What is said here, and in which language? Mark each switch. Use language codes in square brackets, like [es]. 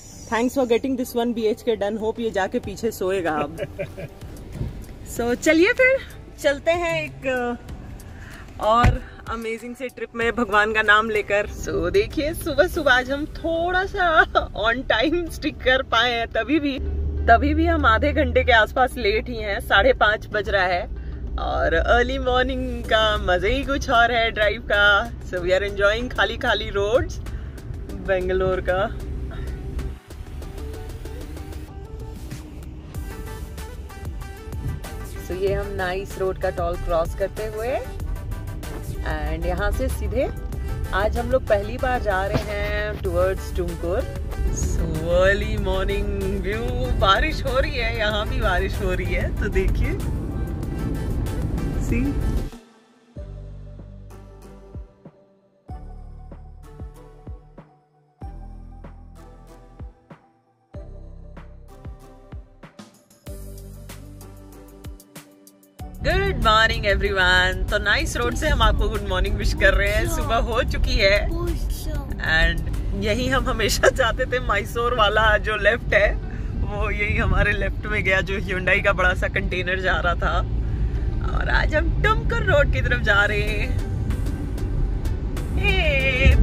[en] Thanks for getting this one BHK done. [hi] Hope ये जाके पीछे सोएगा अब. So चलिए फिर चलते हैं एक और अमेजिंग से ट्रिप में भगवान का नाम लेकर. सो देखिए सुबह सुबह आज हम थोड़ा सा ऑन टाइम स्टिक कर पाए हैं. तभी भी हम आधे घंटे के आसपास लेट ही हैं. 5:30 बज रहा है और अर्ली मॉर्निंग का मजा ही कुछ और है ड्राइव का. [en] So we are enjoying खाली roads Bangalore का. [hi] सो ये हम नाइस रोड का टॉल क्रॉस करते हुए एंड यहाँ से सीधे आज हम लोग पहली बार जा रहे हैं towards Tumkur. So early morning view, बारिश हो रही है, यहाँ भी बारिश हो रही है. तो देखिए [en] Good morning everyone. [hi] तो नाइस रोड से हम आपको गुड मॉर्निंग विश कर रहे हैं. सुबह हो चुकी है एंड यही हम हमेशा चाहते थे. मैसूर वाला जो लेफ्ट है वो यही हमारे लेफ्ट में गया, जो ह्यूंडई का बड़ा सा कंटेनर जा रहा था. और आज हम टुमकुर रोड की तरफ जा रहे हैं.